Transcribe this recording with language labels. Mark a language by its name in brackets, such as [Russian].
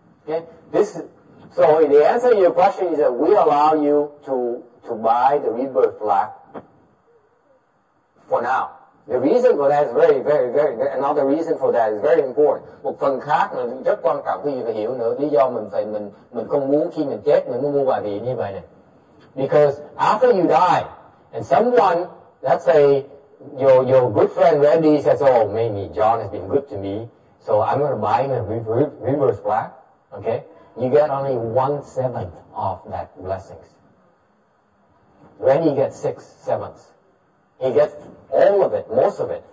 [English] Okay, this is, so the answer to your question is that we allow you to buy the rebirth plaque for now. The reason for that is very, very, very. Another reason for that is very important. [Vietnamese] Một phần khác là rất quan trọng, quý vị phải hiểu nữa. Lý do mình không muốn khi mình chết mình mua bài vị như vậy này. [English] Because after you die, and someone, let's say your good friend Randy says, oh, maybe John has been good to me. So I'm going to buy him a rebirth plaque, okay? You get only 1/7 of that blessings. When he gets 6/7, he gets all of it, most of it.